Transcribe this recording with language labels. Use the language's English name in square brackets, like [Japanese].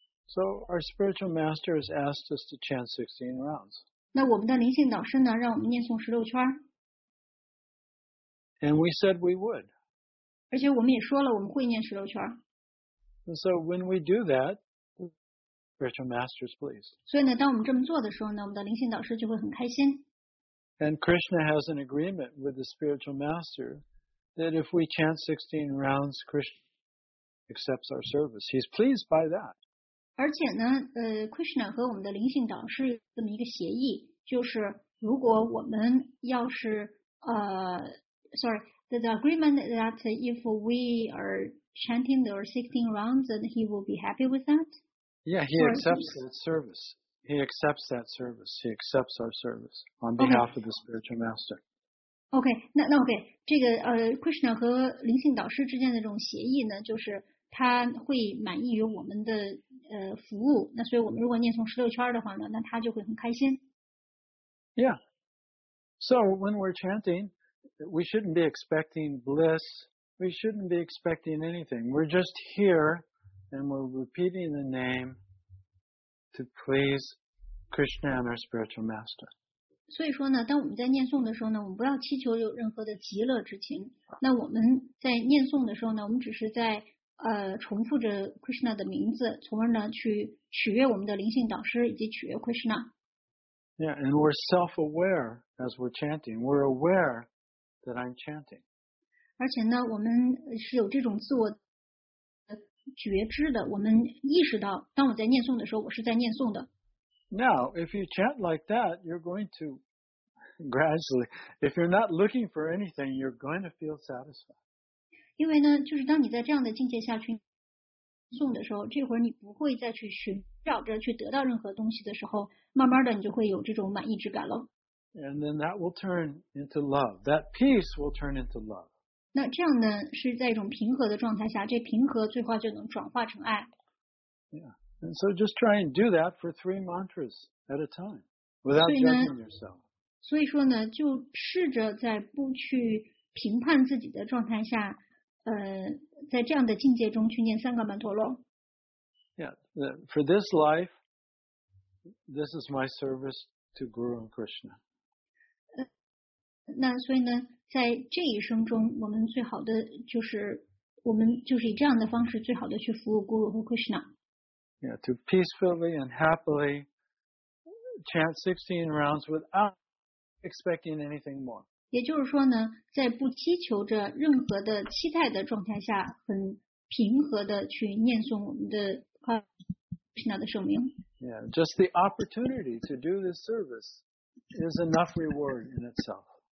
[English] So our spiritual master has asked us to chant 16 rounds. [Chinese] 那我们的灵性导师呢，让我们念诵十六圈。 [English] And we said we would. [Chinese] 而且我们也说了我们会念十六圈。 [English] And so when we do that, spiritual master is pleased. [Chinese] 所以呢，当我们这么做的时候呢，我们的灵性导师就会很开心。 [English] And Krishna has an agreement with the spiritual master that if we chant 16 rounds, Krishna accepts our service. He's pleased by that. [Chinese] 而且呢Krishna 和我们的灵性导师有这么一个协议，就是如果我们要是 [English] the agreement that if we are chanting the 16 rounds, then he will be happy with that? Yeah, he accepts that service. He accepts that service. He accepts our service on behalf of the spiritual master. [Chinese] Okay, 那 okay, 这个Krishna 和灵性导师之间的这种协议呢，就是他会满意于我们的服务，那所以我们如果念诵十六圈的话呢，那他就会很开心。 [English] Yeah. So when we're chanting, we shouldn't be expecting bliss. We shouldn't be expecting anything. We're just here, and we're repeating the name to please Krishna and our spiritual master. [Chinese] 所以说呢，当我们在念诵的时候呢，我们不要祈求有任何的极乐之情。那我们在念诵的时候呢，我们只是在重复着 Krishna 的名字，从而呢去取悦我们的灵性导师以及取悦 Krishna。 [English] Yeah, and we're self-aware as we're chanting. We're aware that I'm chanting. [Chinese] 而且呢，我们是有这种自我觉知的。我们意识到，当我在念诵的时候，我是在念诵的。 [English] Now, if you chant like that, you're going to gradually. If you're not looking for anything, you're going to feel satisfied. [Chinese] 因为呢，就是当你在这样的境界下去诵的时候，这会儿你不会再去寻找着去得到任何东西的时候，慢慢的你就会有这种满意之感了。 [English] And then that will turn into love. That peace will turn into love. [Chinese] 那这样呢，是在一种平和的状态下，这平和最后就能转化成爱。 [English] Yeah. And so just try and do that for 3 mantras at a time without judging yourself. [Chinese] 所以说呢，就试着在不去评判自己的状态下。在这样的境界中去念三个曼陀罗。 [English] Yeah, for this life, this is my service to Guru and Krishna. [Chinese] 那所以呢，在这一生中，我们最好的就是我们就是以这样的方式最好的去服务 Guru 和 Krishna. [English] Yeah, to peacefully and happily chant 16 rounds without expecting anything more. [Chinese] 也就是说呢，在不祈求着任何的期待的状态下，很平和的去念诵我们的Krishna的圣名。 [English] Yeah, just the opportunity to do this service is enough reward in itself.